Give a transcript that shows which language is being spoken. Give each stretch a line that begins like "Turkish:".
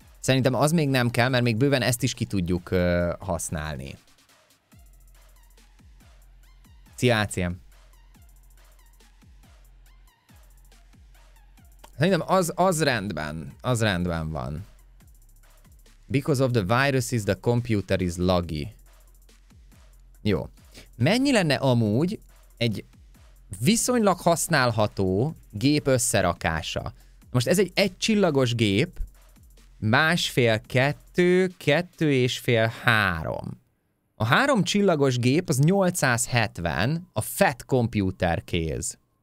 Hungarian: Szerintem az még nem kell, mert még bőven ezt is ki tudjuk használni. Szia, ACM. Szerintem az rendben van.
English: Because of the viruses, the computer is laggy.
Hungarian: Jó. Mennyi lenne amúgy egy viszonylag használható gép összerakása? Most ez egy csillagos gép, másfél, kettő, kettő és fél, három. A három csillagos gép az 870, a fat computer kéz.